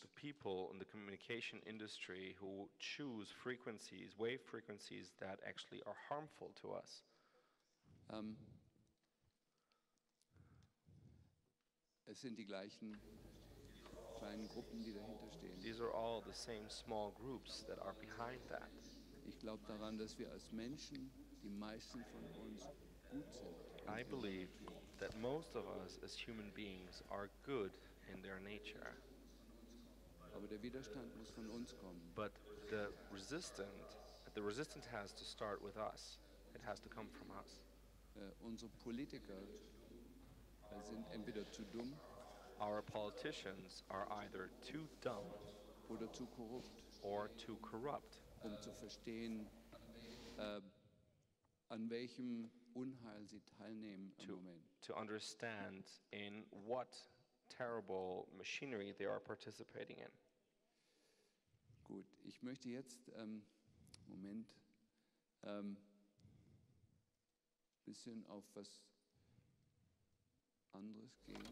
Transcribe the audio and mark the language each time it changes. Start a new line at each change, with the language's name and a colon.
English: The people in the communication industry who choose frequencies, wave frequencies that actually are harmful to us.
German: Es sind die gleichen kleinen Gruppen, die dahinter stehen.
English: These are all the same small groups that are behind that.
German: Ich glaube daran, dass wir als Menschen, die meisten von uns,
English: I believe that most of us as human beings are good in their nature.
German: Aber der Widerstand muss von uns kommen.
English: But the resistance has to start with us. It has to come from us.
German: Unsere Politiker sind entweder zu dumm,
English: our politicians are either too dumb
German: oder zu korrupt,
English: or too corrupt,
German: um zu verstehen, an welchem Unheil sie teilnehmen im Moment.
English: To understand in what terrible machinery they are participating in.
German: Gut, ich möchte jetzt Moment bisschen auf was anderes gehen.